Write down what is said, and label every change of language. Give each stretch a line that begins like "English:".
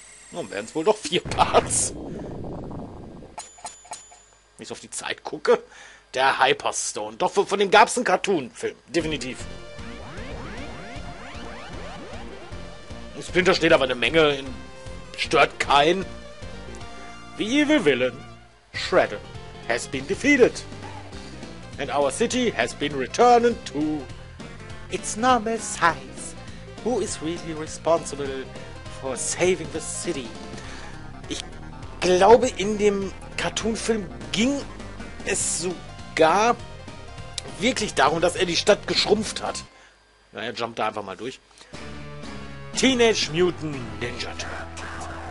German: Nun wären es wohl doch 4 Parts. Wenn ich so auf die Zeit gucke. Der Hyperstone. Doch, von dem gab es einen Cartoon-Film. Definitiv. Splinter steht aber eine Menge. Stört keinen.
English: The evil villain, Shredder, has been defeated. And our city has been returned to its normal size. Who is really responsible for saving the city?
German: Ich glaube, in dem Cartoon-Film ging es sogar wirklich darum, dass er die Stadt geschrumpft hat. Na, er jumpt da einfach mal durch. Teenage Mutant Ninja Turtles.